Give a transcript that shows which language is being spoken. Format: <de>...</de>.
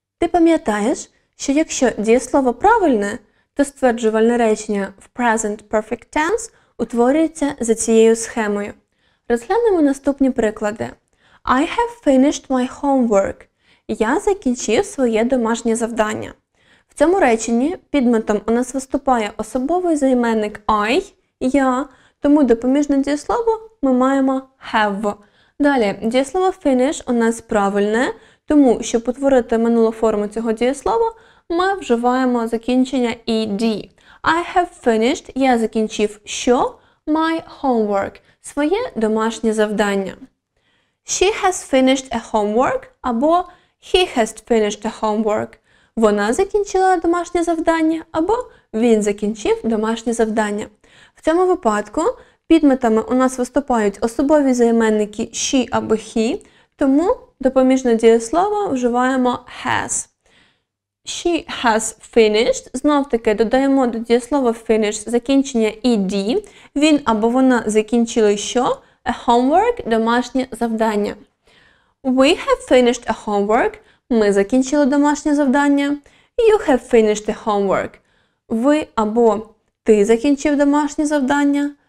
<uk>Ти пам'ятаєш, що якщо дієслово правильне, то стверджувальне речення в present perfect tense утворюється за цією схемою. Розглянемо наступні приклади.</uk> <en>I have finished my homework.</en> <uk>Я закінчив своє домашнє завдання. В цьому реченні підметом у нас виступає особовий займенник I, я, тому допоміжне дієслово ми маємо have. Далі, дієслово finish у нас правильне, тому, щоб утворити минулу форму цього дієслова, ми вживаємо закінчення ed.</uk> <en>I have finished,</en> <uk>я закінчив що?</uk> <en>My homework,</en> <uk>своє домашнє завдання.</uk> <en>She has finished a homework, або he has finished a homework.</en> <uk>Вона закінчила домашнє завдання, або він закінчив домашнє завдання. В цьому випадку підметами у нас виступають особові займенники she або he, тому допоміжне дієслово вживаємо has.</uk> <en>She has finished.</en> <uk>Знов-таки додаємо до дієслова finish закінчення ed. Він або вона закінчили що?</uk> <en>A homework</en> <uk>– домашнє завдання.</uk> <en>We have finished a homework.</en> <uk>Ми закінчили домашнє завдання.</uk> <en>You have finished the homework.</en> <uk>Ви або ти закінчив домашнє завдання.</uk>